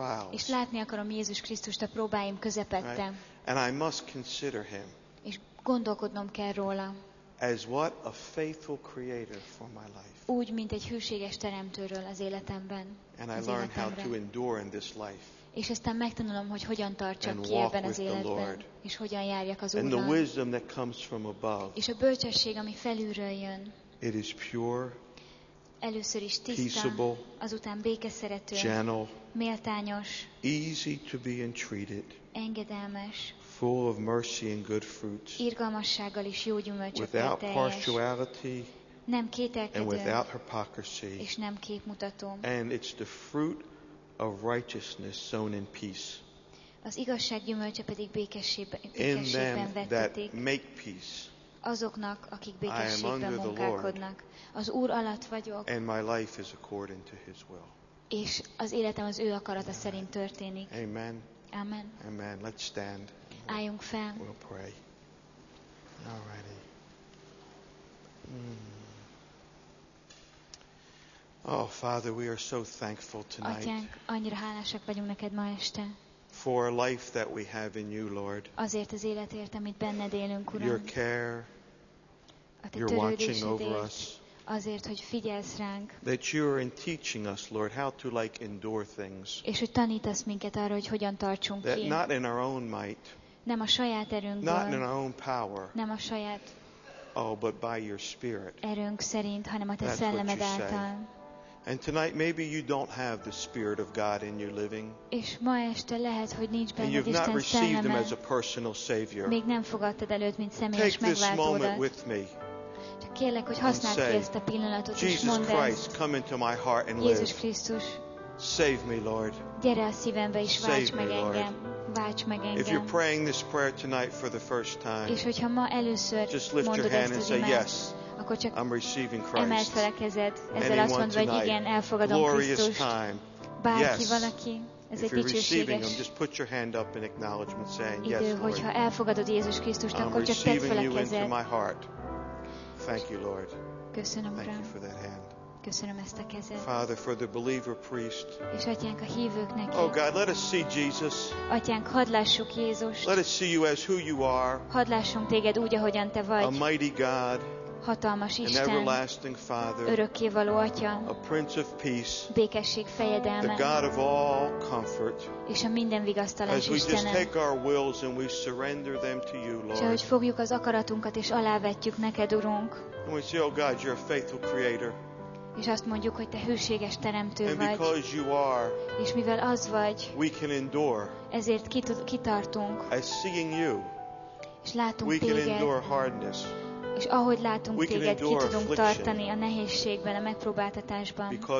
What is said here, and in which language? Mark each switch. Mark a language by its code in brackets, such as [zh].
[hu] És látni akarom Jézus Krisztust a próbáim közepette. [en] And I must consider him. [hu] És gondolkodnom kell róla. [en] as what a faithful creator for my life. [hu] Úgy, mint egy hűséges teremtőről az életemben. [en] And I learn how to endure in this life. [hu] És aztán megtanulom, hogy hogyan tartsak ki ebben az életben, és hogyan járjak az Úrral. És a bölcsesség, ami felülről jön, [en] it is pure, [hu] először is tiszta, [en] peaceable, [hu] azután békeszerető, [en] gentle, [hu] méltányos, [en] easy to be entreated, [hu] engedelmes, [en] full of mercy and good fruits, [hu] irgalmassággal és jó gyümölcsökkel teljes, [en] without partiality, [hu] nem kételkedő, [en] and without hypocrisy, [hu] és nem képmutató. [en] And it's the fruit of righteousness sown in peace. [hu] Az igazság gyümölcse pedig békességben vetetik. [en] Make peace. [hu] Azoknak, akik békességben munkálkodnak, az Úr alatt vagyok. [en] And my life is according to his will. [hu] És az életem az ő akarata szerint történik. [en] Amen. [hu] Amen. [en] Amen. Let's stand. [hu] Álljunk fel. [en] We'll pray. All righty. Oh Father, we are so thankful tonight. [hu] Atyánk, annyira hálásak vagyunk neked ma este. [en] For a life that we have in you, Lord. [hu] Azért az életért, amit benned élünk, Uram. [en] Your care. [hu] A te törődésedért. [en] Watching over us. [hu] Azért, hogy figyelsz ránk. [en] That you are in teaching us, Lord, how to like endure things. [hu] És hogy tanítasz minket arra, hogy hogyan tartsunk [en] that [hu] ki. [en] Not in our own might. [hu] Nem a saját erőnkből. [en] Not in our own power. [hu] Nem a saját. [en] Oh, but by your spirit. [hu] Erőnk szerint, hanem a te szellemed által. [en] And tonight maybe you don't have the Spirit of God in your living. [hu] És ma este lehet, hogy nincs benned Isten szelleme. [en] And you've not received him as a personal savior. [hu] Még nem fogadtad el őt, mint személyes megváltódat. [en] Take this moment with me. [hu] Csak kérlek, hogy használd ki ezt a pillanatot, és mondd ezt. [en] Jesus Christ, come into my heart and live. [hu] Jézus Krisztus. [en] Save me, Lord. [hu] Gyere a szívembe, és válts meg engem. [en] If you're praying this prayer tonight for the first time, [hu] és hogyha ma először [en] just lift your hand and say yes. I'm receiving Christ. [hu] Emeld fel a kezed, ezzel azt mondd, hogy igen, elfogadom Krisztust. Bárki, valaki, ez egy dicsőséges. [en] Just put your hand up in acknowledgement saying yes, Lord. [hu] Hogyha elfogadod Jézus Krisztust, akkor csak tedd fel a kezed. [en] Thank you, Lord. [hu] Köszönöm, Uram. [en] Thank you for that hand. [hu] Köszönöm ezt a kezet. [en] Father, for the believer priest. [hu] És Atyánk, a hívőknek. [en] Oh God, let us see Jesus. [hu] Atyánk, hadd lássuk Jézust. [en] Let us see you as who you are. [hu] Hadd lássunk téged úgy, ahogyan te vagy. [en] A mighty God. [hu] Hatalmas Isten, [en] an everlasting Father, [hu] örökkévaló Atya, [en] a Prince of Peace, [hu] békesség fejedelme, [en] the God of all comfort, [hu] és a minden vigasztalás Istenem. [en] As we just take our wills and we surrender them to you, Lord. [hu] És ahogy fogjuk az akaratunkat és alávetjük neked, Urunk. [en] And we say, oh God, you're a faithful Creator. [hu] És azt mondjuk, hogy te hűséges teremtő [en] and [hu] vagy. [en] Because you are, [hu] és mivel az vagy, [en] we can endure. [hu] Ezért kitartunk. [en] As seeing you, [hu] és látunk [en] we [hu] téged. [en] Can endure hardness. [hu] És ahogy látunk téged, ki tudunk tartani a nehézségben, a megpróbáltatásban.